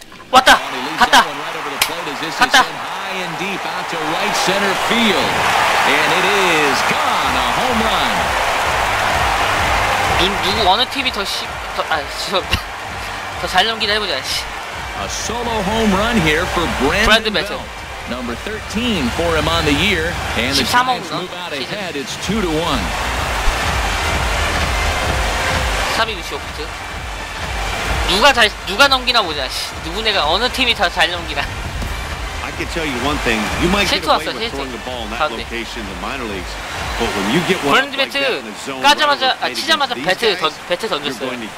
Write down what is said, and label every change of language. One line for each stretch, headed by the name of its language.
Korean: 왔다. 갔다. 갔다.
English: High and deep out to right center field. And it is gone. A home run.
Korean: 누구 어느 팀이 더 쉽 더 아 죄송합니다. 더 잘 넘기나 해 보자.
English: A solo home run here for Brandon Belt. Number 13 for him on the year and the Giants move out ahead. It's 2-1.
Korean: 3위 누가 잘 누가 넘기나 보자. 누구네가 어느 팀이 더 잘 넘기나.
English: I can tell you one thing. You might get away with throwing the ball in that location in the minor leagues, but when you get one like that in the zone,
Korean: 까자마자 아 치자마자 배트 던졌어요.